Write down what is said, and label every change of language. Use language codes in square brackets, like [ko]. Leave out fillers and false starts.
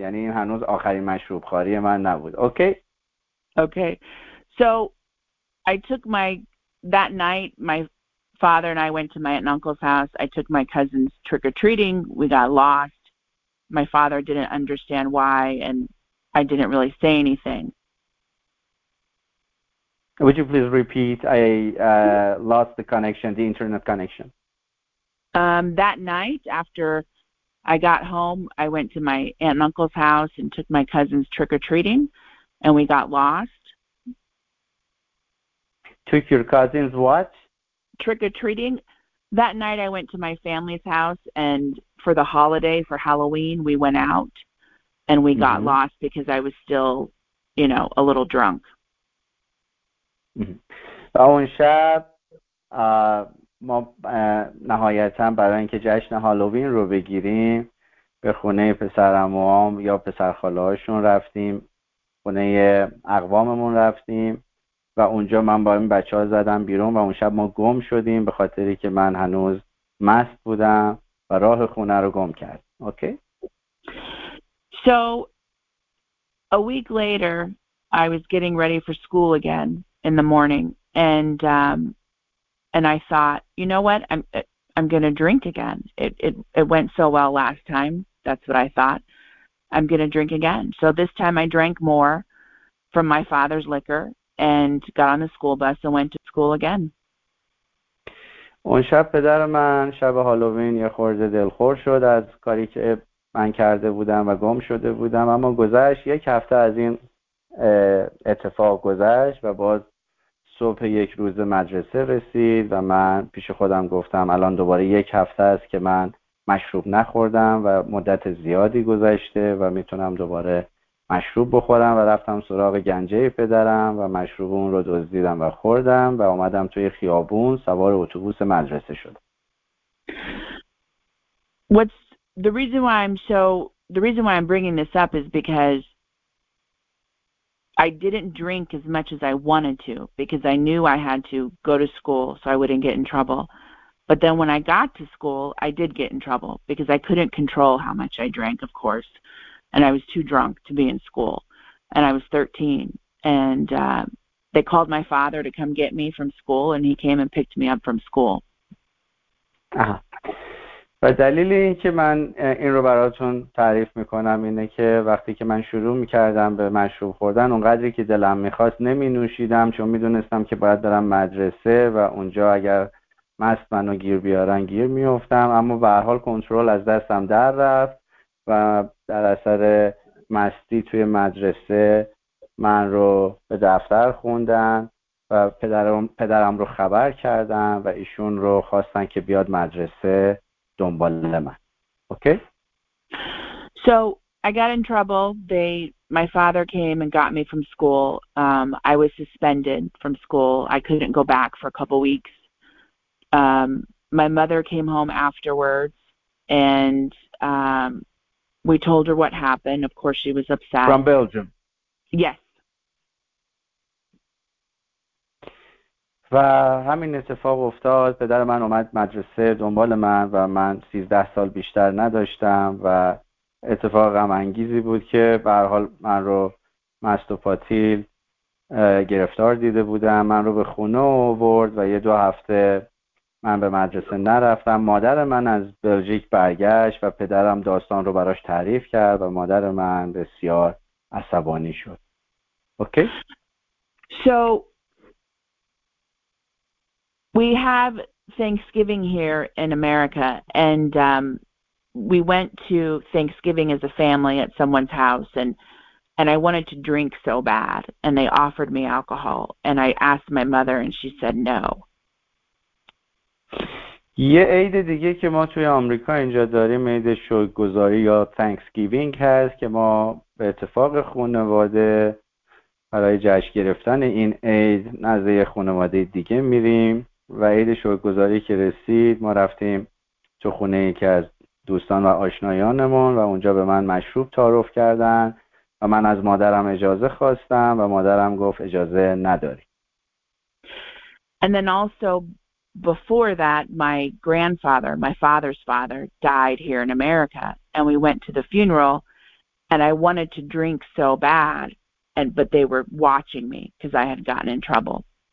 [fa] یعنی این هنوز آخرین مشروب خوری من نبود. [en] Okay? Okay. So, I took my, that night, my father and I went to my aunt and uncle's house. I took my cousins trick-or-treating. We got lost. My father didn't understand why, and I didn't really say anything. Would you please repeat? I lost the connection, the internet connection. That night, after I got home, I went to my aunt and uncle's house and took my cousins trick-or-treating, and we got lost. Took your cousins what? Trick-or-treating. That night I went to my family's house and for the holiday, for Halloween, we went out and we got mm-hmm. lost because I was still, you know, a little drunk. [fa] اون شب ما نهایتاً برای اینکه جشن هالووین رو بگیریم به خونه پسرعموام یا پسرخاله‌هاشون رفتیم، خونه اقواممون رفتیم و اونجا من با این بچه ها زدم بیرون و اون شب ما گم شدیم به خاطری که من هنوز مست بودم و راه خونه رو گم کرد. [en] Okay? So, a week later, I was getting ready for school again in the morning and I thought, you know what, I'm going to drink again. It went so well last time, that's what I thought. I'm going to drink again. So this time I drank more from my father's liquor and got on the school bus and went to school again. [fa] اون شب پدر من شب هالووین یه خورده دلخور شد از کاری که من کرده بودم و گم شده بودم، اما گذشت یک هفته از این اتفاق گذشت و باز صبح یک روز مدرسه رسید و من پیش خودم گفتم الان دوباره یک هفته است که من مشروب نخوردم و مدت زیادی گذشته و میتونم دوباره مشروب بخورم، و رفتم سراغ گنجه پدرم و مشروب اون رو دزدیدم و خوردم و اومدم توی خیابون سوار اتوبوس مدرسه شدم. [en] The reason why I'm bringing this up is because I didn't drink as much as I wanted to because I knew I had to go to school so I wouldn't get in trouble. But then when I got to school, I did get in trouble because I couldn't control how much I drank, of course. And I was too drunk to be in school. And I was 13. And they called my father to come get me from school, and he came and picked me up from school. [fa] و دلیل این که من این رو براتون تعریف میکنم اینه که وقتی که من شروع میکردم به مشروب خوردن، اونقدری که دلم میخواست نمی نوشیدم، چون میدونستم که باید برم مدرسه و اونجا اگر مست منو گیر بیارن گیر میافتم. اما به هر حال کنترل از دستم در رفت و در اثر مستی توی مدرسه من رو به دفتر خوندن و پدرم رو خبر کردن و ایشون رو خواستن که بیاد مدرسه دنبال من. [en] Okay? So I got in trouble. My father came and got me from school. I was suspended from school. I couldn't go back for a couple weeks. My mother came home afterwards and we told her what happened. Of course, she was upset. From Belgium. Yes. [fa] و همین اتفاق افتاد. پدر من اومد مدرسه دنبال من و من 13 سال بیشتر نداشتم و اتفاق غم انگیزی بود که به هر حال من رو مست و پاتیل گرفتار دیده بودم. من رو به خونه آورد و یه دو هفته من به مدرسه نرفتم. مادر من از بلژیک برگشت و پدرم داستان رو براش تعریف کرد و مادر من بسیار عصبانی شد. [en] Okay? So we have Thanksgiving here in America, and we went to Thanksgiving as a family at someone's house, and I wanted to drink so bad, and they offered me alcohol, and I asked my mother, and she said no. [fa] یه عید دیگه که ما توی آمریکا اینجا داریم عید شکرگزاری یا Thanksgiving هست که ما به اتفاق خانواده برای جشن گرفتن این عید نزد خانواده دیگه میریم، و عید شکرگزاری که رسید ما رفتیم تو خونه یکی از دوستان و آشنایانمون و اونجا به من مشروب تعارف کردن و من از مادرم اجازه خواستم و مادرم گفت اجازه نداری. [en] And then also before that, my grandfather, my father's father, died here in America, and we went to the funeral, and I wanted to drink so bad, but they were watching me because I had gotten in trouble.